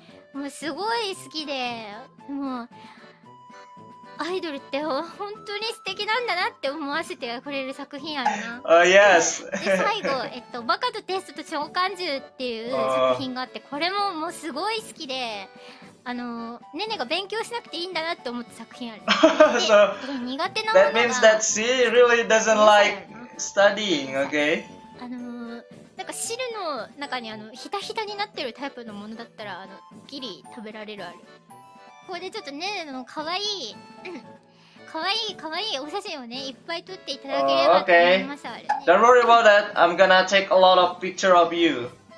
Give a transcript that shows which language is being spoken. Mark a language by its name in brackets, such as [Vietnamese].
[Japanese] 、もうすごい好きで、もうアイドルって本当に素敵なんだなって思わせてくれる作品あるな。 [English] あ、yes! [Japanese] で、最後、バカとテストと召喚獣っていう作品があって、これももうすごい好きで、あの、ネネが勉強しなくていいんだなって思った作品ある。 [English] so, [Japanese] 苦手なものが… [English] That means that she really doesn't like studying, okay? [Japanese] あの、なんか汁の中にあのひたひたになってるタイプのものだったら、あの、ギリ食べられるある。ここでちょっとねねのかわいい、かわいいかわいいお写真をね、いっぱい撮っていただければと思います。 [English] Oh, okay. Don't worry about that. I'm gonna take a lot of picture of you.